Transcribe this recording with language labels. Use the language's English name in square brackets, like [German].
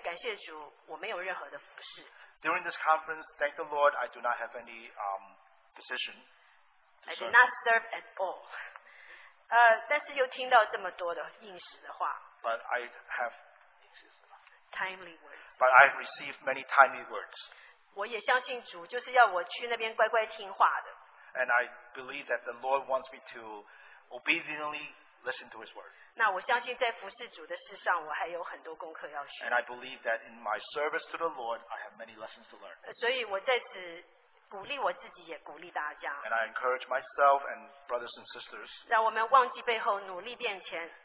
[Chinese] 那在这次特会感谢主，我没有任何的服侍。 [English] During this conference, thank the Lord, I do not have any position. I did not serve at all. [Chinese] 但是又听到这么多的应许的话。 [English] But I have timely words. But I received many timely words. [Chinese] 我也相信主就是要我去那边乖乖听话的。 [English] And I believe that the Lord wants me to obediently listen to His word. [Chinese] 那我相信在服侍主的事上，我还有很多功课要学。 [English] And I believe that in my service to the Lord, I have many lessons to learn. [Chinese] 所以我在此鼓励我自己，也鼓励大家。 [English] And I encourage myself and brothers and sisters. [Chinese] 让我们忘记背后，努力变前。